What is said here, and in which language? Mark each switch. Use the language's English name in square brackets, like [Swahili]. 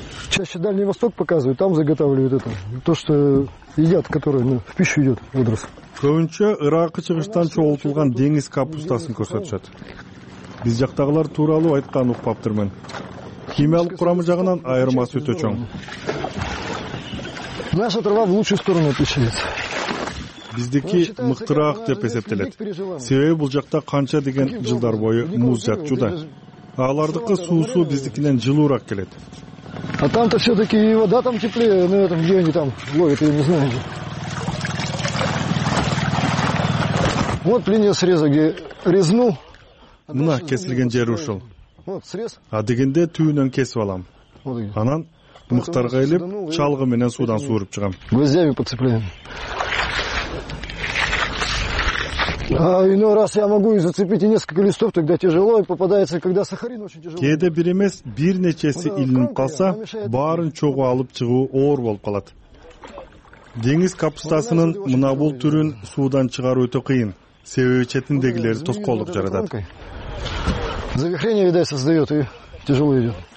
[Russian] Чаще Дальний Восток показывают, там заготавливают это. То, что едят, которое ну, в пищу идет, водорос. [Kyrgyz] Көбүнчө Ыраакы чыгыштан чогултулган деңиз капустасын көрсөтүшөт. Биз жактагылар тууралуу айтканын укпаптыр мен. Химиялык курамы жагынан айырмасы өтө чоң. [Russian] Наша трава в лучшую сторону отличается. [Kyrgyz] Биздики мыктыраак деп эсептелет. Себеби бул жакта канча деген жылдар бою муз жатчуда. Алардыкы суусу биздикинен жылуураак келет. [Russian] А там-то все-таки и вода там теплее, но ну, там, где они там ловят, я не знаю. Вот линия среза, где резнул. [Kyrgyz] Мына кесилген жер ушул. [Russian] Вот срез. [Kyrgyz] А дегенде түйүнөн кесип алам. Анан мыктарга илип, чалгы менен суудан сууруп чыгам. [Russian] Гвоздями подцепляем. А иной раз я могу и зацепить и несколько листов, тогда тяжело, и попадается, когда сахарин очень тяжело. [Kyrgyz] Кээде бир эмес бир нечеси илинип калса, баарын чогуу алып чыгуу оор болуп калат. Деңиз капустасынын мына бул түрүн суудан чыгаруу өтө кыйын. Себеби четиндегилер тоскоолдук жаратат. [Russian] Завихрение, видать, создает, и тяжело идет.